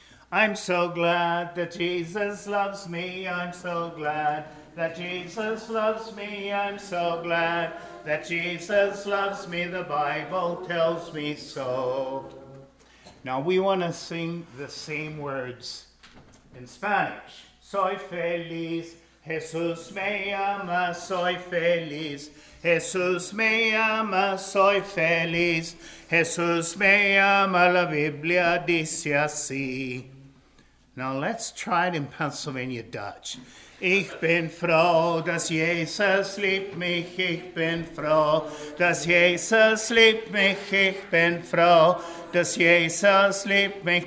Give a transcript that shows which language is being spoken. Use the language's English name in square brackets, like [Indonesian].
[English] I'm so glad that Jesus loves me, I'm so glad that Jesus loves me, I'm so glad that Jesus loves me, the Bible tells me so. Now we want to sing the same words in Spanish. [Spanish] Soy feliz, Jesús me ama, soy feliz. Jesús me ama, soy feliz. Jesús me ama, la Biblia dice así. [English] Now let's try it in Pennsylvania Dutch. [Pennsylvania German] Ich bin froh, dass Jesus liebt mich. Ich bin froh, dass Jesus liebt mich. Ich bin froh, dass Jesus liebt mich.